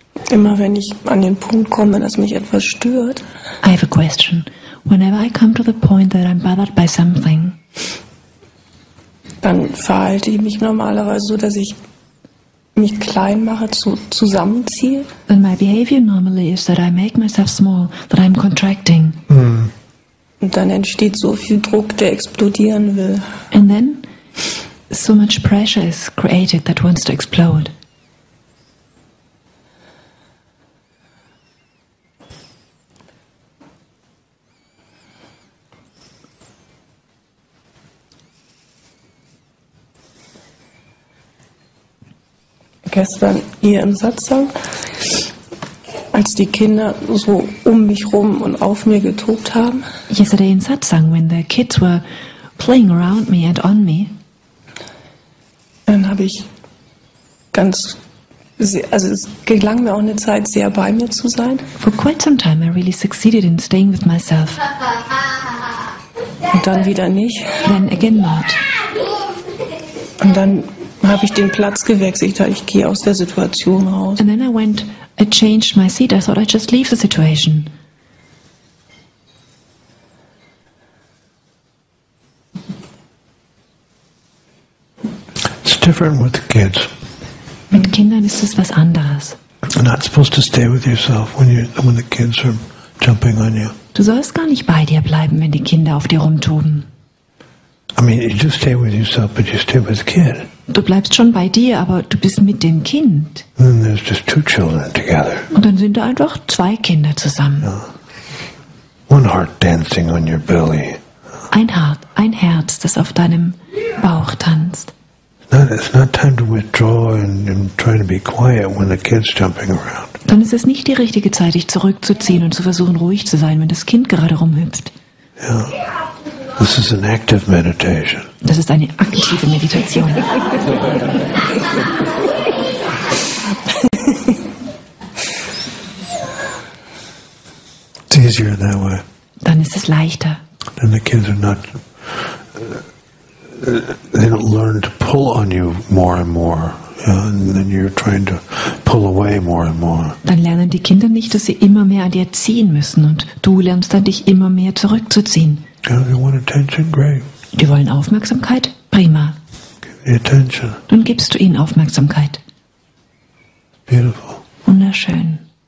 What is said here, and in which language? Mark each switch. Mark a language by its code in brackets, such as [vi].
[de] Immer wenn ich an den Punkt komme, dass mich etwas stört. [en] I have a question. Whenever I come to the point that I'm bothered by something. [de] Dann verhalte ich mich normalerweise so, dass ich mich klein mache, zusammenziehe. [en] Then my behavior normally is that I make myself small, that I'm contracting. [de] Und dann entsteht so viel Druck, der explodieren will. [en] And then? So much pressure is created that wants to explode. [de] Gestern hier im Satsang, als die Kinder so um mich rum und auf mir getobt haben. [en] Yesterday in Satsang, when the kids were playing around me and on me. [de] Dann habe ich ganz, also es gelang mir auch eine Zeit, sehr bei mir zu sein. [en] For quite some time I really succeeded in staying with myself. [de] Und dann wieder nicht. [en] Then again not. [de] Und dann habe ich den Platz gewechselt, ich gehe aus der Situation raus. [en] And then I went, I changed my seat, I thought I'd just leave the situation. Different with kids. [de] Mit Kindern ist es was anderes. [en] You're not supposed to stay with yourself when the kids are jumping on you. [de] Du sollst gar nicht bei dir bleiben, wenn die Kinder auf dir rumtoben. [en] I mean, you just stay with yourself, but you stay with the kid. [de] Du bleibst schon bei dir, aber du bist mit dem Kind. [en] And then there's just two children together. [de] Und dann sind da einfach zwei Kinder zusammen. [en] Yeah. One heart dancing on your belly. [de] Ein Herz, das auf deinem Bauch tanzt. [en] It's not time to withdraw and try to be quiet when the kid's jumping around. [de] Dann ist es nicht die richtige Zeit, dich zurückzuziehen und zu versuchen, ruhig zu sein, wenn das Kind gerade rumhüpft. [en] Yeah. This is an active meditation. [de] Das ist eine aktive Meditation. [en] It's easier that way. [de] Dann ist es leichter. [en] Then the kids are not. They don't learn to pull on you more and more, and then you're trying to pull away more and more. [de] Dann lernen die Kinder nicht, dass sie immer mehr an dir ziehen müssen, und du lernst dann, dich immer mehr zurückzuziehen. [en] Yeah, they want attention, great. [de] Die wollen Aufmerksamkeit, prima. [en] Give the attention. [de] Dann gibst du ihnen Aufmerksamkeit. [en] Beautiful. [de] Wunderschön.